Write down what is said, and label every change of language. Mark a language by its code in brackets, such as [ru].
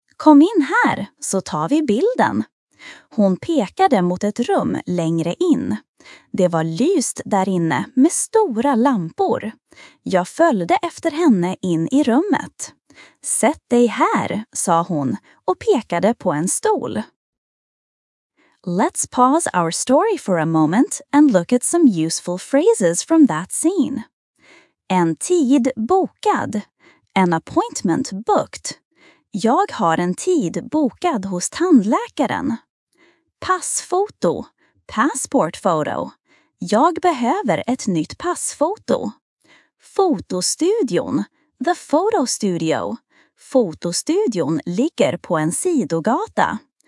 [sv] Kom in här, så tar vi bilden. Hon pekade mot ett rum längre in. Det var lyst där inne med stora lampor. Jag följde efter henne in i rummet. Sätt dig här, sa hon och pekade på en stol. [en] Let's pause our story for a moment and look at some useful phrases from that scene. [sv] En tid bokad. [en] An appointment booked. [sv] Jag har en tid bokad hos tandläkaren. Passfoto, [en] passport photo. [sv] Jag behöver ett nytt passfoto. Fotostudion, [en] the photo studio. [sv] Fotostudion ligger på en sidogata.